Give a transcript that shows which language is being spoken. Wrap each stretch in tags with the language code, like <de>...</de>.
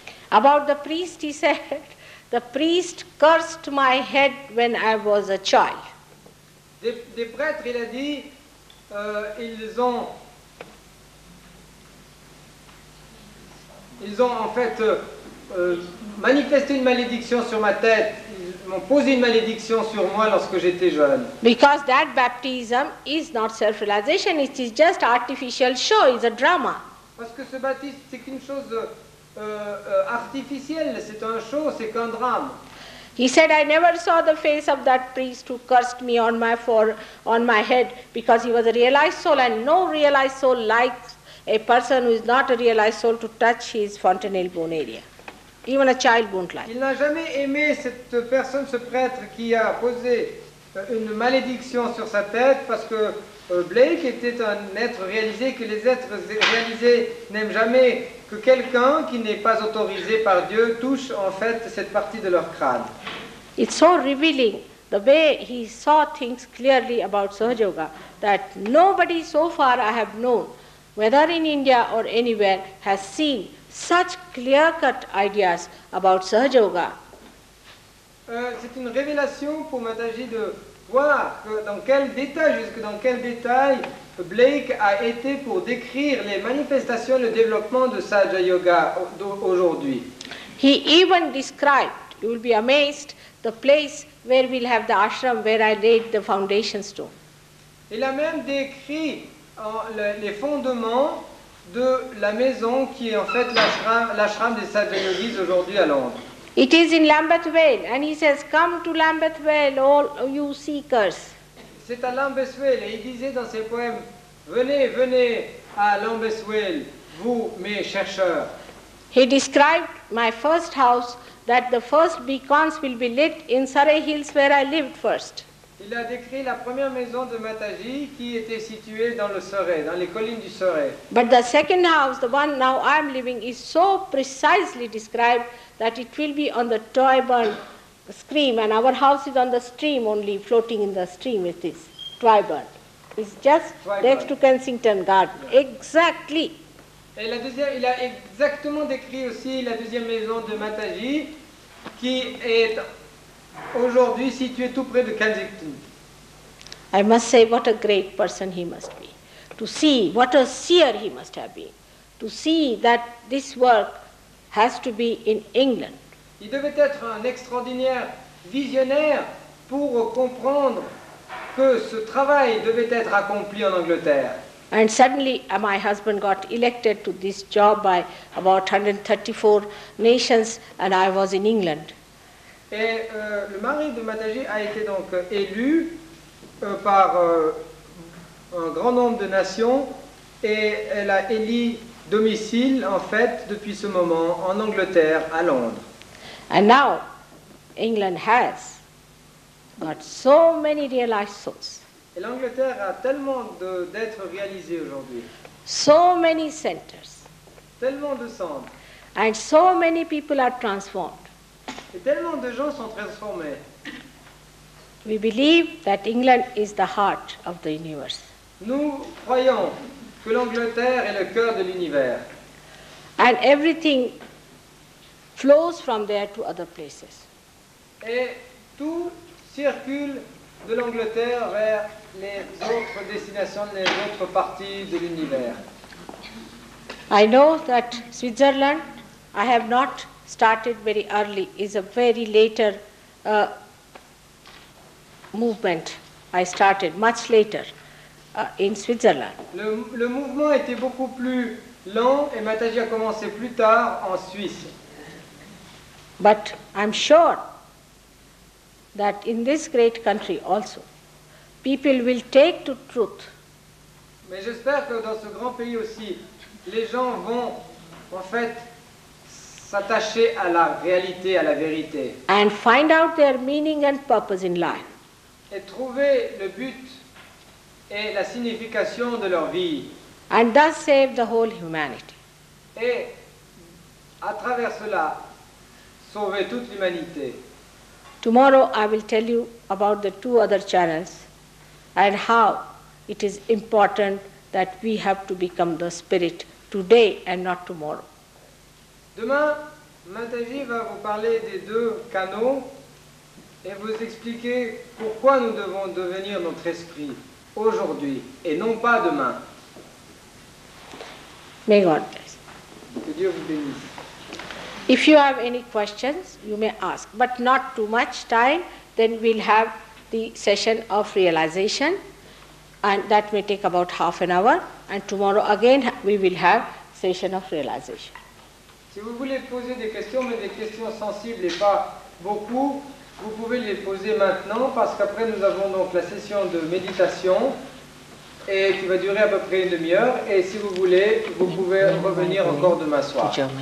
<en>About the priest, he said, the priest cursed my head when I was a child.</en> <fr>Des prêtres, il a dit, ils ont... Ils ont en fait manifesté une malédiction sur ma tête. Ils m'ont posé une malédiction sur moi lorsque j'étais jeune.</fr> <en>Because that baptism is not self-realization, it is just artificial show, it's a drama.</en> <fr>Parce que ce baptisme, c'est qu'une chose artificielle, c'est un show, c'est qu'un drame.</fr> <en>He said, I never saw the face of that priest who cursed me on my head, because he was a realized soul, and no realized soul likes a person who is not a realized soul to touch his fontanelle bone area. Even a child won't like.</en> <fr>Il n'a jamais aimé cette personne, ce prêtre qui a posé une malédiction sur sa tête, parce que Blake était un être réalisé, que les êtres réalisés n'aiment jamais que quelqu'un qui n'est pas autorisé par Dieu touche en fait cette partie de leur crâne.</fr> <en>It's so revealing the way he saw things clearly about Sahaja Yoga that nobody so far I have known, whether in India or anywhere, has seen such clear-cut ideas about Sahaja Yoga.</en> <fr>C'est une révélation pour Mataji de voir que dans quel détail, jusque dans quel détail Blake a été pour décrire les manifestations, le développement de Sahaja Yoga aujourd'hui.</fr> <en>He even described, you will be amazed, the place where we'll have the ashram where I laid the foundation stone.</en> <fr>Il a même décrit les fondements de la maison qui est en fait l'ashram des Sahaja Yogis aujourd'hui à Londres.</fr> <en>It is in Lambeth Vale, and he says, come to Lambeth Vale, all you seekers.</en> <fr>C'est à Lambeth Vale, et il disait dans ses poèmes, venez, venez à Lambeth Vale, vous mes chercheurs.</fr> <en>He described my first house, that the first beacons will be lit in Surrey Hills where I lived first.</en> <fr>Il a décrit la première maison de Mataji qui était située dans le Surrey, dans les collines du Surrey.</fr> <en>But the second house, the one now I'm living, is so precisely described that it will be on the Tyburn stream, and our house is on the stream only, floating in the stream with this Tyburn. It's just next to Kensington Garden. Exactly.</en> <fr>Et la deuxième, il a exactement décrit aussi la deuxième maison de Mataji qui est aujourd'hui situé tout près de Kensington.</fr> <en>I must say what a great person he must be. To see what a seer he must have been. To see that this work has to be in England.</en> <fr>Il devait être un extraordinaire visionnaire pour comprendre que ce travail devait être accompli en Angleterre.</fr> <en>And suddenly my husband got elected to this job by about 134 nations and I was in England.</en> <fr>Et le mari de Mataji a été donc élu par un grand nombre de nations et elle a élu domicile en fait depuis ce moment en Angleterre à Londres.</fr> <en>And now England has got so many realized souls.</en> <fr>Et l'Angleterre a tellement d'êtres réalisés aujourd'hui.</fr> <en>So many centers.</en> <fr>Tellement de centres.</fr> <en>And so many people are transformed.</en> <fr>Et tellement de gens sont transformés.</fr> <en>We believe that England is the heart of the universe.</en> <fr>Nous croyons que l'Angleterre est le cœur de l'univers.</fr> <en>And everything flows from there to other places.</en> <fr>Et tout circule de l'Angleterre vers les autres destinations, les autres parties de l'univers.</fr> <en>I know that Switzerland, I have not started very early, is a very later movement. I started much later in Switzerland.</en> <fr>Le mouvement était beaucoup plus lent et Mataji a commencé plus tard en Suisse.</fr> <en>But I'm sure that in this great country also, people will take to truth.</en> <fr>Mais j'espère que dans ce grand pays aussi, les gens vont en fait s'attacher à la réalité, à la vérité.</fr> <en>And find out their meaning and purpose in life.</en> <fr>Et trouver le but et la signification de leur vie.</fr> <en>And thus save the whole humanity.</en> <fr>Et à travers cela, sauver toute l'humanité.</fr> <en>Tomorrow I will tell you about the two other channels and how it is important that we have to become the spirit today and not tomorrow.</en> <fr>Demain, Mataji va vous parler des deux canaux et vous expliquer pourquoi nous devons devenir notre esprit aujourd'hui et non pas demain.</fr> <en>May God bless.</en> <fr>Que Dieu vous bénisse.</fr> <en>If you have any questions, you may ask, but not too much time, then we'll have the session of realization and that may take about half an hour and tomorrow again we will have session of realization.</en> <fr>Si vous voulez poser des questions, mais des questions sensibles et pas beaucoup, Vous pouvez les poser maintenant parce qu'après nous avons donc la session de méditation et qui va durer à peu près une demi-heure et si vous voulez, vous pouvez revenir encore demain soir.</fr>